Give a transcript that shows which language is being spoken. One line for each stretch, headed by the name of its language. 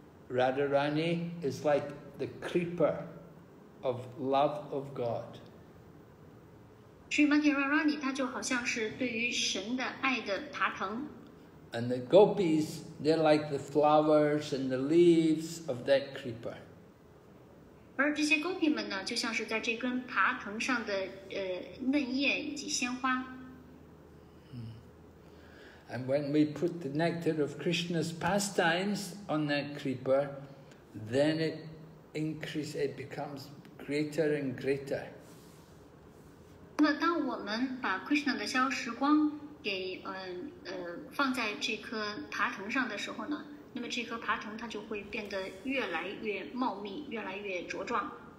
English: Radharani is like the creeper. Of love of God.
Chinese: Sri Madhya Rani, 它就好像是对于神的爱的爬藤。
English: And the gopis, they're like the flowers and the leaves of that creeper.
Chinese: 而这些 gopi 们呢，就像是在这根爬藤上的嫩叶以及鲜花。
English: And when we put the nectar of Krishna's pastimes on that creeper, then it increases. It becomes greater and greater.
Chinese: 那么当我们把 Krishna 的消时光给放在这颗爬藤上的时候呢，那么这颗爬藤它就会变得越来越茂密，越来越茁壮。